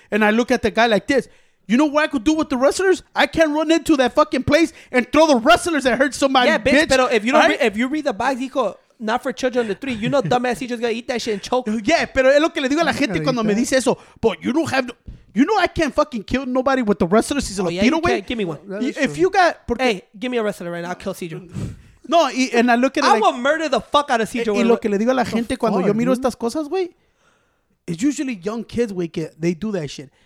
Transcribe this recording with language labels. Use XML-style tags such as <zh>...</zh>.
<en>And I look at the guy like this. You know what I could do with the wrestlers? I can't run into that fucking place and throw the wrestlers that hurt somebody, yeah, bitch. Yeah, but if you don't, right? If you read the box, dijo, not for children under three. You know, dumbass, he just gonna eat that shit and choke.</en> <es>Yeah, pero es lo que le digo a la gente cuando me dice eso.</es> <en>But you don't have... You know I can't fucking kill nobody with the wrestlers. He's a Latino, you way. Give me one. If you got... Hey, give me a wrestler right now. I'll kill Cedro. No, and I look at I will murder the fuck out of Cedro.</en> <es>Y lo que le digo a la gente cuando yo miro estas cosas, güey,</es> <en>it's usually young kids, güey, they do that shit.</en>